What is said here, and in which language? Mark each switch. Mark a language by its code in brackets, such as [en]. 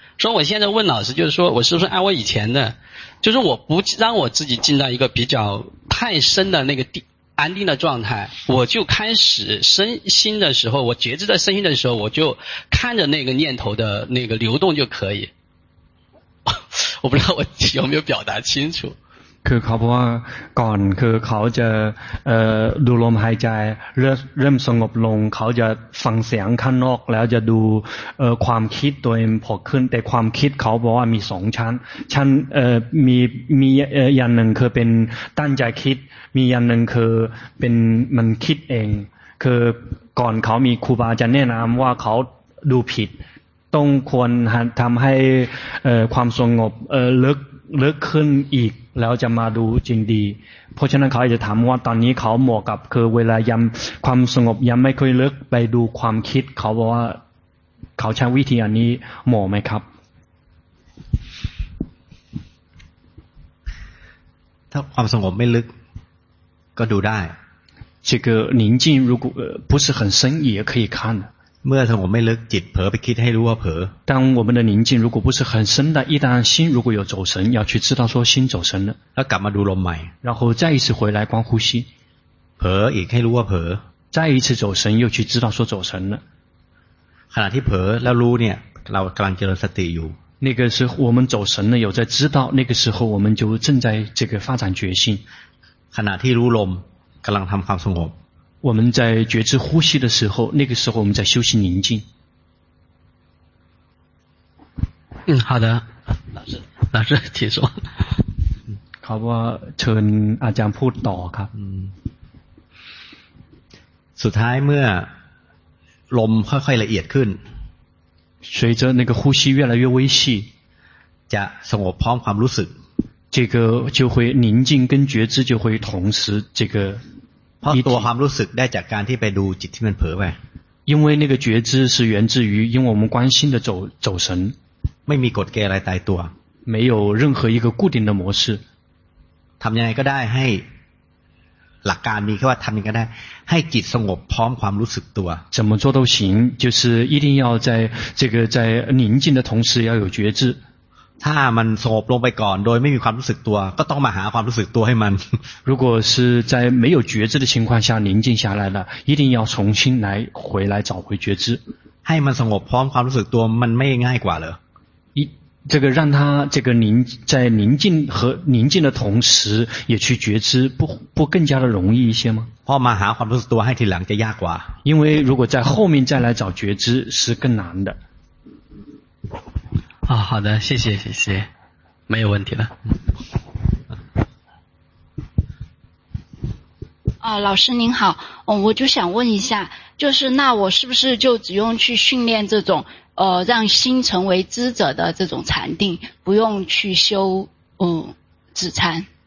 [zh] 所以我现在问老师，就是说我是不是按我以前的，就是我不让我自己进到一个比较太深的那个地安定的状态，我就开始身心的时候，我觉知在身心的时候，我就看着那个念头的那个流动就可以。我不知道我有没有表达清楚。 [th] คือเขาบอกว่าก่อนคือเขาจะดูลมหายใจเริ่มสงบลงเขาจะฟังเสียงข้างนอกแล้วจะดูความคิดตัวเองพอขึ้นแต่ความคิดเขาบอกว่ามีสองชั้นชั้น มีอย่างหนึ่งคือเป็นตั้งใจคิดมีอย่างหนึ่งคือเป็นมันคิดเองคือก่อนเขามีครูบาจะแนะนำว่าเขาดูผิดต้องควรทำให้ความสงบลึกขึ้นอีกแล้วจะมาดูจริงดีเพราะฉะนั้นเขาอาจจะถามว่าตอนนี้เขาเหมาะกับคือเวลายังความสงบยังไม่ค่อยลึกไปดูความคิดเขาบอกว่าเขาใช้วิธีอันนี้เหมาะไหมครับ ถ้าความสงบไม่ลึกก็ดูได้ [zh] 这个宁静如果不是很深也可以看 [th] เมื่อสงบไม่ลึกจิตเผลอไปคิดให้รู้ว่าเผลอ [zh] 当我们的宁静如果不是很深的一旦心如果有走神要去知道说心走神了 [th] แล้วกลับมาดูลมใหม่ [zh] 然后再一次回来观呼吸 [th] เผลออีกให้รู้ว่าเผลอ [zh] 再一次走神又去知道说走神了 [th] ขณะที่เผลอแล้วรู้เนี่ยเรากำลังเจริญสติอยู่ [zh] 那个时候我们走神了有在知道那个时候我们就正在这个发展觉性 [th] ขณะที่รู้ลมกำลังทำความสงบ [zh] 我们在觉知呼吸的时候，那个时候我们在修行宁静。嗯，好的，老师，请说。好不，请阿江铺导卡。嗯。 [th] สุดท้ายเมื่อลมค่อยๆละเอียดขึ้น， [zh] 随着那个呼吸越来越微细， [th] จะสงบพร้อมความรู้สึก， [zh] 这个就会宁静跟觉知就会同时这个。 [th] เพราะตัวความรู้สึกได้จากการที่ไปดูจิตที่มันเผลอไป [zh] 因为那个觉知是源自于因为我们关心的走神 [th] ไม่มีกฎเกณฑ์อะไรตายตัว [zh] 没有任何一个固定的模式 [th] ทำยังไงก็ได้ให้หลักการมีแค่ว่าทำยังไงก็ได้ให้จิตสงบพร้อมความรู้สึกตัว [zh] 怎么做都行就是一定要在这个在宁静的同时要有觉知 [th] ถ้ามันสงบลงไปก่อนโดยไม่มีความรู้สึกตัวก็ต้องมาหาความรู้สึกตัวให้มัน [zh] 如果是在没有觉知的情况下宁静下来了一定要重新来回来找回觉知 [th] ให้มันสงบพร้อมความรู้สึกตัวมันไม่ง่ายกว่าเลย [zh] 这个让他这个在宁静和宁静的同时也去觉知不更加的容易一些吗 [th] พอมาหาความรู้สึกตัวให้ทีหลังจะยากกว่า [zh] 因为如果在后面再来找觉知是更难的哦、好的谢谢没有问题了、哦、老师您好、哦、我就想问一下就是那我是不是就只用去训练这种让心成为知者的这种禅定不用去修止禅